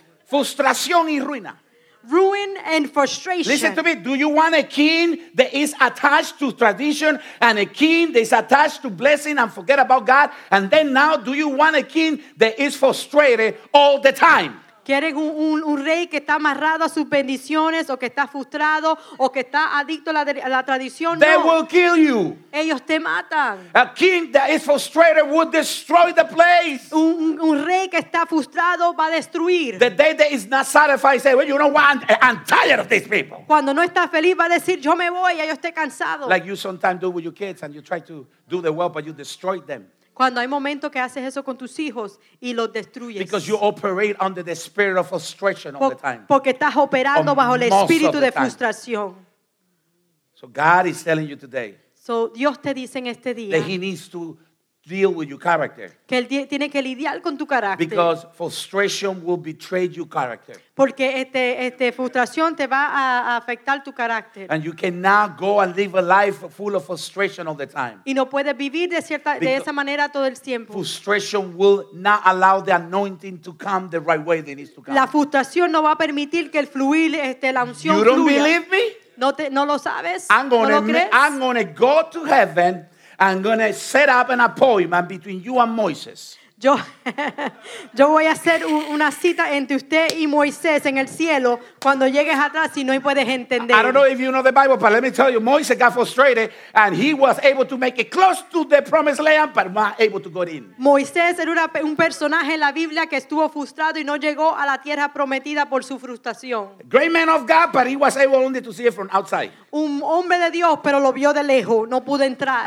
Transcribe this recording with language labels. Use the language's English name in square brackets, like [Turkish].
[Spanish] Frustración y ruina. [English] Ruin and frustration. Listen to me. Do you want a king that is attached to tradition and a king that is attached to blessing and forget about God? And then now, do you want a king that is frustrated all the time? [Spanish] ¿Quieren un rey que está amarrado a sus bendiciones o que está frustrado o que está adicto a la tradición? [English] They no. will kill you. [Spanish] Ellos te matan. [English] A king that is frustrated would destroy the place. [Spanish] Un rey que está frustrado va a destruir. [English] The day that is not satisfied, say, well, you know what? I'm tired of these people. [Spanish] Cuando no está feliz va a decir, yo me voy, ya yo estoy cansado. [English] Like you sometimes do with your kids and you try to do the well, but you destroy them. [Spanish] Cuando hay momentos que haces eso con tus hijos y los destruyes. [English] Because you operate under the spirit of frustration all the time. [Spanish] Porque estás operando bajo el espíritu de frustración. [English] So God is telling you today. [Spanish] So Dios te dice en este día. [English] That he needs to deal with your character. [Spanish] Que él tiene que lidiar con tu carácter. [English] Because frustration will betray your character. [Spanish] Porque este frustración te va a afectar tu carácter. [English] And you cannot go and live a life full of frustration all the time. [Spanish] Y no puedes vivir de cierta de esa manera todo el tiempo. [English] Frustration will not allow the anointing to come the right way that it needs to come. [Spanish] La frustración no va a permitir que el fluir la unción fluya. [English] You don't believe me? [Spanish] No lo sabes? [English] I'm going to go to heaven. I'm going to set up an appointment between you and Moses. [Spanish] Yo voy a hacer una cita entre usted y Moisés en el cielo cuando llegues atrás y no puedes entender. [English] I don't know if you know the Bible, but let me tell you, Moses got frustrated and he was able to make it close to the promised land, but not able to go in. [Spanish] Moisés era un personaje en la Biblia que estuvo frustrado y no llegó a la tierra prometida por su frustración. [English] Great man of God, but he was able only to see it from outside. [Spanish] Un hombre de Dios, pero lo vio de lejos, no pudo entrar.